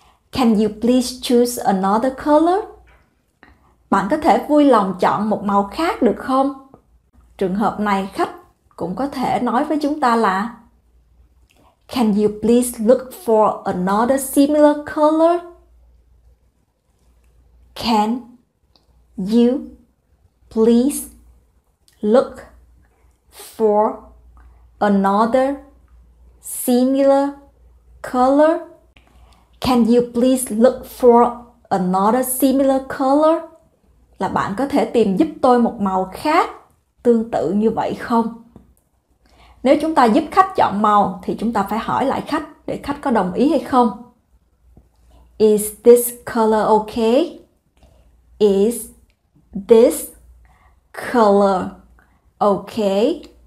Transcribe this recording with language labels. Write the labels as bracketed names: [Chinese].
[English] Can you please choose another color? [Vietnamese] Bạn có thể vui lòng chọn một màu khác được không? Trường hợp này khách cũng có thể nói với chúng ta là [English] Can you please look for another similar color? Can you please look for another similar color? Can you please look for another similar color? [Vietnamese] Là bạn có thể tìm giúp tôi một màu khác tương tự như vậy không? Nếu chúng ta giúp khách chọn màu thì chúng ta phải hỏi lại khách để khách có đồng ý hay không. [English] Is this color okay? Is this color Okay.